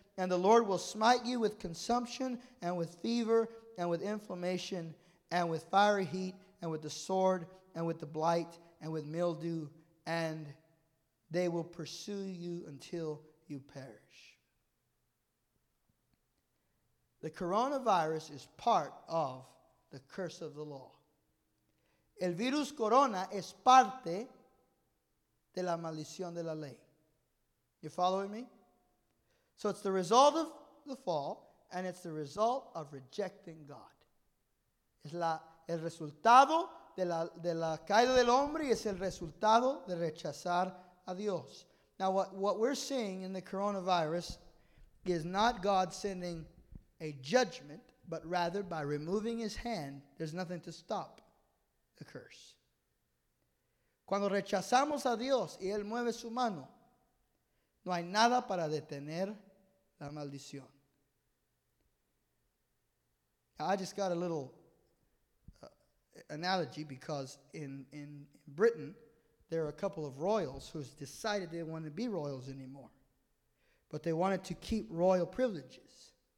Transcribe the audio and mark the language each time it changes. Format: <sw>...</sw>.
<en>And the Lord will smite you with consumption and with fever and with inflammation and with fiery heat and with the sword and with the blight and with mildew. And they will pursue you until you perish. The coronavirus is part of the curse of the law.</en> <es>El virus corona es parte de la maldición de la ley.</es> <en>You following me? So it's the result of the fall, and it's the result of rejecting God.</en> <es>Es la, el resultado de la caída del hombre y es el resultado de rechazar a Dios.</es> <en>Now what we're seeing in the coronavirus is not God sending a judgment, but rather by removing his hand, there's nothing to stop the curse.</en> <es>Cuando rechazamos a Dios y Él mueve su mano, no hay nada para detener la maldición.</es> <en>Now, I just got a little analogy because in Britain, there are a couple of royals who's decided they want to be royals anymore, but they wanted to keep royal privileges.</en>